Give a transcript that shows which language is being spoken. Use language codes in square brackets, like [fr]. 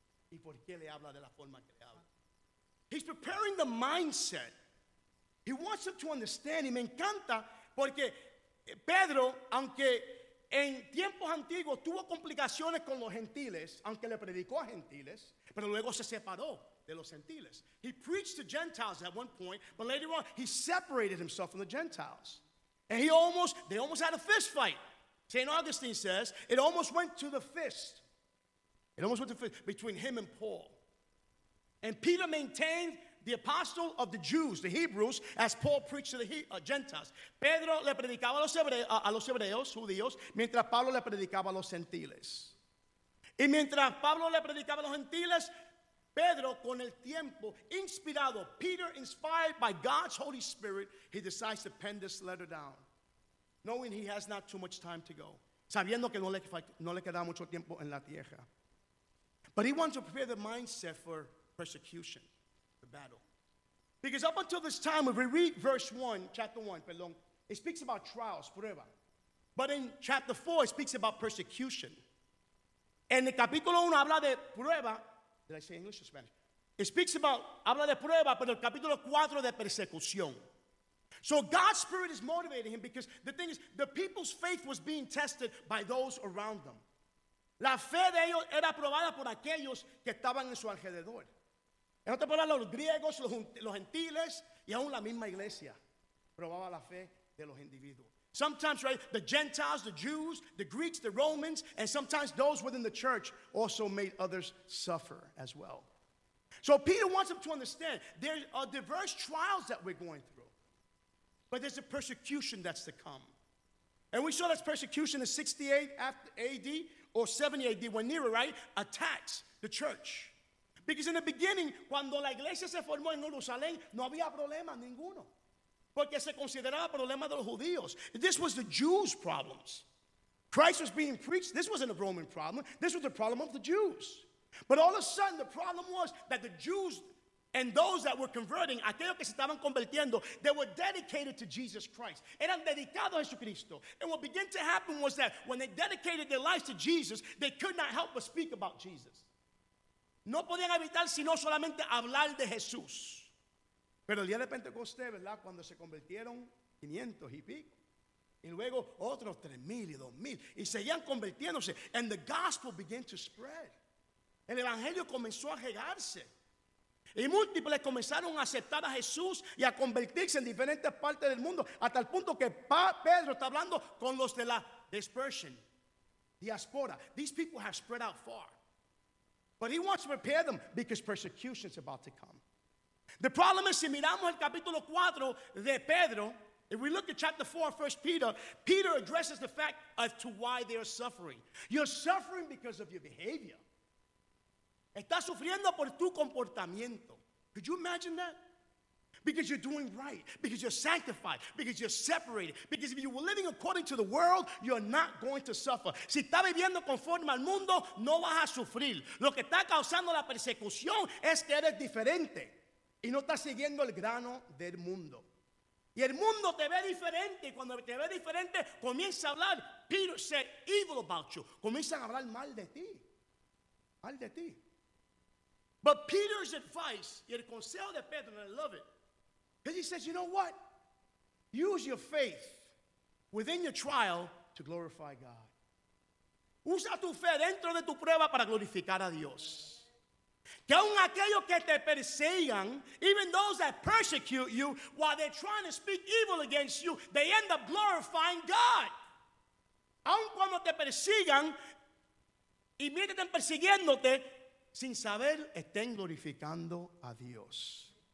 [es] Y por qué le habla de la forma que le habla. [en] He's preparing the mindset. He wants them to understand. [es] Y me encanta porque Pedro, aunque en tiempos antiguos tuvo complicaciones con los gentiles, aunque le predicó a gentiles, pero luego se separó de los gentiles. [en] He preached to Gentiles at one point, but later on he separated himself from the Gentiles. And they almost had a fist fight. St. Augustine says, it almost went to the fist. It almost went to the fist between him and Paul. And Peter maintained the apostle of the Jews, the Hebrews, as Paul preached to the Gentiles. [es] Pedro le predicaba a los hebreos, judíos, mientras Pablo le predicaba a los gentiles. Y mientras Pablo le predicaba a los gentiles, Pedro, con el tiempo, inspirado, [en] Peter, inspired by God's Holy Spirit, he decides to pen this letter down, knowing he has not too much time to go. [es] Sabiendo que no le queda mucho tiempo en la tierra. [en] But he wants to prepare the mindset for persecution. Battle. Because up until this time, if we read chapter 1, it speaks about trials, prueba. But in chapter 4, it speaks about persecution. [es] En el capítulo 1 habla de prueba. [en] Did I say English or Spanish? It speaks about, [es] habla de prueba, pero el capítulo 4 de persecución. [en] So God's spirit is motivating him because the thing is, the people's faith was being tested by those around them. [es] La fe de ellos era probada por aquellos que estaban en su alrededor. En otras palabras, los griegos, los gentiles, y aún la misma iglesia probaba la fe de los individuos. [en] Sometimes, right, the Gentiles, the Jews, the Greeks, the Romans, and sometimes those within the church also made others suffer as well. So Peter wants them to understand there are diverse trials that we're going through, but there's a persecution that's to come. And we saw this persecution in 68 AD or 70 AD when Nero, right, attacks the church. Because in the beginning, [es] cuando la iglesia se formó en Jerusalén, no había problema ninguno. Porque se consideraba problema de los judíos. [en] This was the Jews' problems. Christ was being preached. This wasn't a Roman problem. This was the problem of the Jews. But all of a sudden, the problem was that the Jews and those that were converting, [es] aquellos que se estaban convirtiendo, [en] they were dedicated to Jesus Christ. [es] Eran dedicados a Jesucristo. [en] And what began to happen was that when they dedicated their lives to Jesus, they could not help but speak about Jesus. [es] No podían evitar sino solamente hablar de Jesús. Pero el día de Pentecostés, ¿verdad? Cuando se convirtieron 500 y pico. Y luego otros 3,000 y 2,000. Y seguían convirtiéndose. [en] And the gospel began to spread. [es] El evangelio comenzó a regarse. Y múltiples comenzaron a aceptar a Jesús y a convertirse en diferentes partes del mundo. Hasta el punto que Pedro está hablando con los de la dispersion. [en] Diaspora. These people have spread out far. But he wants to prepare them because persecution is about to come. The problem is, [es] si miramos el capítulo 4 de Pedro, [en] if we look at chapter 4 of 1 Peter, Peter addresses the fact as to why they are suffering. You're suffering because of your behavior. [es] Estás sufriendo por tu comportamiento. [en] Could you imagine that? Because you're doing right, because you're sanctified, because you're separated, because if you were living according to the world, you're not going to suffer. [es] Si estás viviendo conforme al mundo, no vas a sufrir. Lo que está causando la persecución es que eres diferente y no estás siguiendo el grano del mundo. Y el mundo te ve diferente, y cuando te ve diferente, comienza a hablar, [en] Peter said evil about you. [es] Comienzan a hablar mal de ti, mal de ti. [en] But Peter's advice, [es] y el consejo de Pedro, [en] and I love it, because he says, you know what? Use your faith within your trial to glorify God. [es] Usa tu fe dentro de tu prueba para glorificar a Dios. Que aun aquellos que te persigan, [en] even those that persecute you, while they're trying to speak evil against you, they end up glorifying God. [es] Aun cuando te persigan, y mientras están persiguiéndote, sin saber, estén glorificando a Dios.